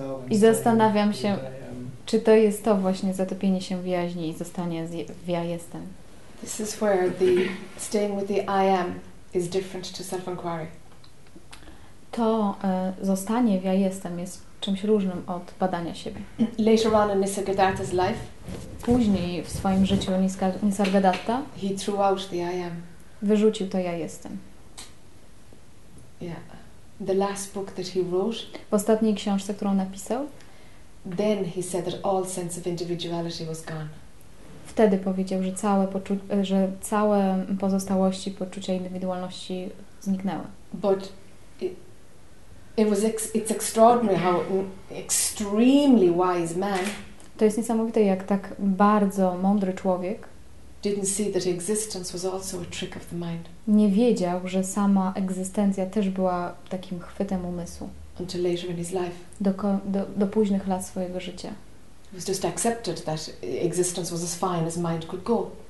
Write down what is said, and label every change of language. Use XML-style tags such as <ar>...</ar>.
<pl>I zastanawiam się, czy to jest to właśnie zatopienie się w jaźni i zostanie w ja jestem.</pl> <en>This is where the staying with the I am is different to self-inquiry.</en> <pl>To zostanie w ja jestem jest czymś różnym od badania siebie.</pl> <en>Later on in Nisargadatta's life,</en> <pl>później w swoim życiu Nisargadatta,</pl> <en>he threw out the I am.</en> <pl>Wyrzucił to ja jestem.</pl> <en>Yeah. The last book that he wrote.</en> <pl>W ostatniej książce, którą napisał.</pl> <en>Then he said that all sense of individuality was gone.</en> <pl>Wtedy powiedział, że całe pozostałości poczucia indywidualności zniknęły.</pl> <en>But it's extraordinary how extremely wise man.</en> <pl>To jest niesamowite, jak tak bardzo mądry człowiek.</pl> <en>Didn't see that existence was also a trick of the mind.</en> <pl>Nie wiedział, że sama egzystencja też była takim chwytem umysłu.</pl> <en>Until later in his life.</en> <pl>Do późnych lat swojego życia.</pl> <en>It was just accepted that existence was as fine as mind could go.</en>